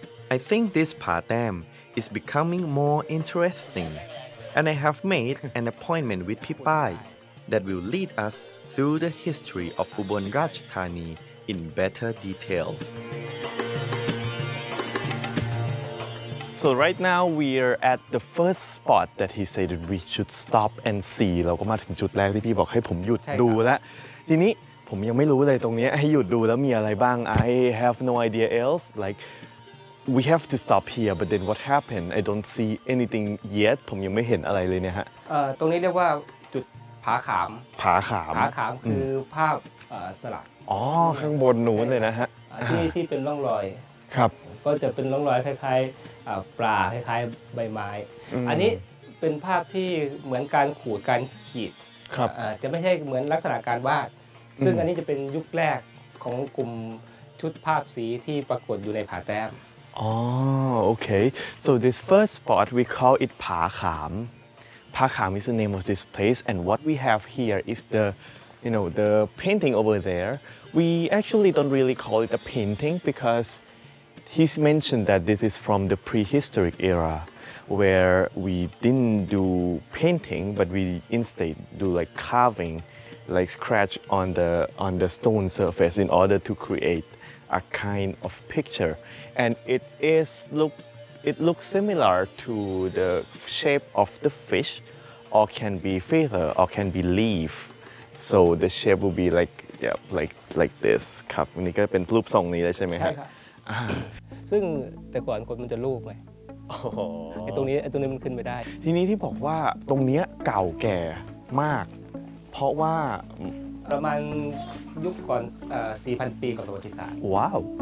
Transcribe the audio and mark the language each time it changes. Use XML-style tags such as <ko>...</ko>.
<en>I think this Patam is becoming more interesting, and I have made an appointment with Pipai that will lead us through the history of Ubon Rajthani in better details. So right now we are at the first spot that he said that we should stop and see.</en> <th>เราก็มาถึงจุดแรกที่พี่บอกให้ผมหยุดดูแล้วทีนี้ผมยังไม่รู้เลยตรงนี้ให้หยุดดูแล้วมีอะไรบ้าง</th> <en>I have no idea else. Like we have to stop here, but then what happened? I don't see anything yet.</en> <th>ผมยังไม่เห็นอะไรเลยเนี่ยฮะ ตรงนี้เรียกว่าจุดผาขาม ผาขาม ผาขามคือภาพสลัก อ๋อข้างบนนู้นเลยนะฮะ ที่เป็นร่องรอย ครับ ก็จะเป็นร่องรอยคล้ายปลาคล้ายใบไม้อันนี้เป็นภาพที่เหมือนการขูดการขีด ครับ จะไม่ใช่เหมือนลักษณะการวาดซึ่งอันนี้จะเป็นยุคแรกของกลุ่มชุดภาพสีที่ปรากฏอยู่ในผาแต้ม</th> <en>อ๋อโอเค so this first spot we call it ผาขามผาขาม is the name of this place and what we have here is the you know the painting over there we actually don't really call it a painting becauseHe's mentioned that this is from the prehistoric era where we didn't do painting but we instead do like carving like scratch on the stone surface in order to create a kind of picture and it is look it looks similar to the shape of the fish or can be feather or can be leaf so the shape will be like yeah like this</en> <th>ครับนี่ก็เป็นรูปทรงนี้แล้วใช่มั้ยฮะ ใช่ครับซึ่งแต่ก่อนคนมันจะรูปไงไอ้ตรงนี้ไอ้ตรงนี้มันขึ้นไม่ได้ทีนี้ที่บอกว่าตรงเนี้ยเก่าแก่มากเพราะว่า ประมาณยุคก่อน 4,000 ปีก่อนประวัติศาสตร์ว้าว</th>